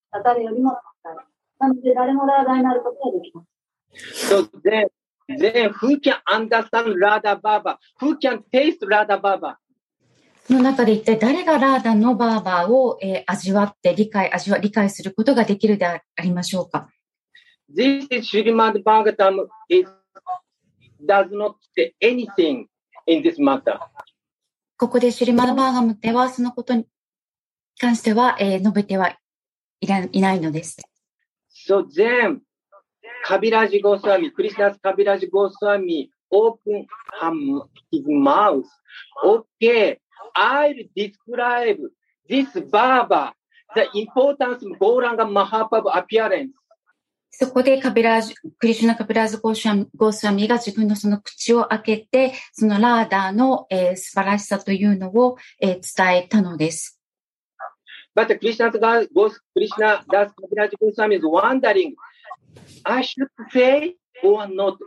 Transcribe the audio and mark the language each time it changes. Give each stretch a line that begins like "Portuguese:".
Japanese: 誰よりも高い。なので、誰もラーダになることができます。
English: So then, who can understand ラーダ・バーバー? Who can taste ラーダ・バーバー?
Japanese: の中で一体誰がラーダのバーバーを、味わって理解することができるでありましょうか。
English: This is Srimad Bhagavatam. It does not say anything in this matter.
Japanese: ここで Srimad Bhagavatam ではそのことに関しては、述べてはいないのです。
English: So then, Kaviraj Goswami, Krishna's Kaviraj Goswami, open his mouth. Okay, I'll describe this Baba, the importance of Gauranga Mahaprabhu appearance.
Japanese: そこでカビラージュ、クリシュナ・カビラージュ・ゴースワミが自分のその口を開けて、そのラーダーの、素晴らしさというのを、伝えたのです。
English: But Krishna Das Kaviraj Goswami is wondering, I should say or not?